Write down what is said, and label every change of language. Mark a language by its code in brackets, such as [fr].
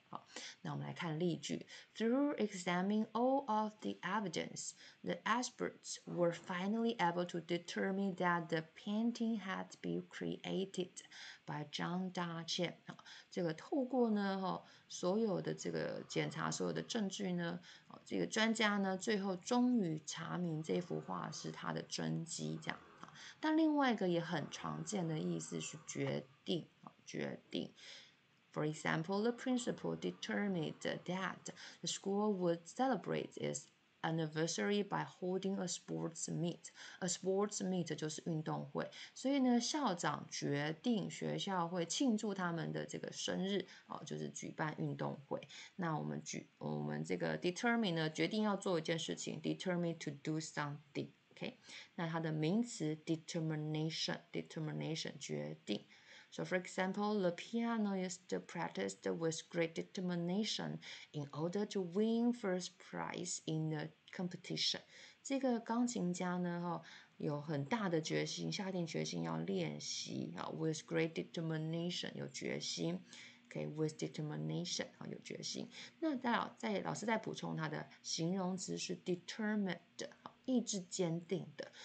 [zh] 好，那我们来看例句 [en] ，Through examining all of the evidence, the experts were finally able to determine that the painting had been created by Zhang Dajie。 [zh] 好，这个透过呢，哈，所有的这个检查，所有的证据呢，哦，这个专家呢，最后终于查明这幅画是他的真迹，这样。好，但另外一个也很常见的意思是决定。 [en] 决定 For example, the principal determined that the school would celebrate its anniversary by holding a sports meet. A sports meet [zh] 就是运动会，所以呢，校长决定学校会庆祝他们的这个生日，哦，就是举办运动会。那我们这个 determine 呢，决定要做一件事情 ， [en] determine to do something. [zh] OK， 那它的名词 determination 决定。 [en] So, for example, the pianist practiced with great determination in order to win first prize in the competition. [zh] 这个钢琴家呢，有很大的决心，下定决心要练习。 [en] With great determination, [zh] 有决心。 [en] Okay, with determination, 有决心。 [zh] 那老师再补充他的形容词是 determined, 意志坚定的。